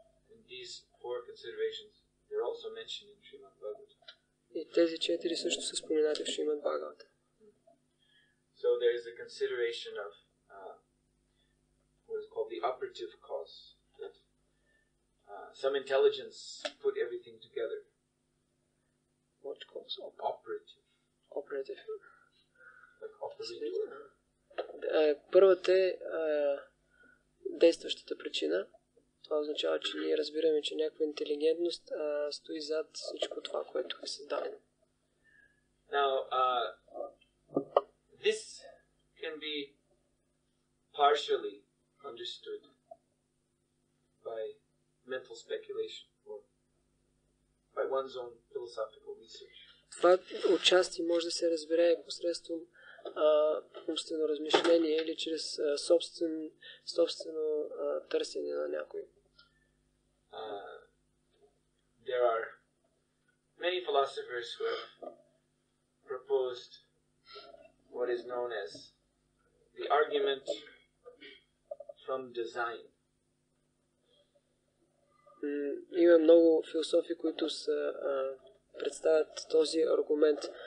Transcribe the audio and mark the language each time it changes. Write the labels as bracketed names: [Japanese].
[English] And these four considerations, they're also mentioned in Srimad Bhagavatam. [Bulgarian] И тези четири също са споменати в Шримад Бхагавата. [English] So there is a consideration of what is called the operative cause, that some intelligence put everything together. What cause? Operative. Operative. Like operative. [Bulgarian] Първата е действащата причина. Това означава, че ние разбираме, че някаква интелигентност стои зад всичко това, което е създадено. [English] Now, this can be partially understood by mental speculation or by one's own philosophical research. [Bulgarian] Това отчасти може да се разбере посредством умствено размишление или чрез собствено търсене на някой. [English] There are many philosophers who have proposed what is known as the argument from design. [Bulgarian] Има много философи, които са представят този аргумент.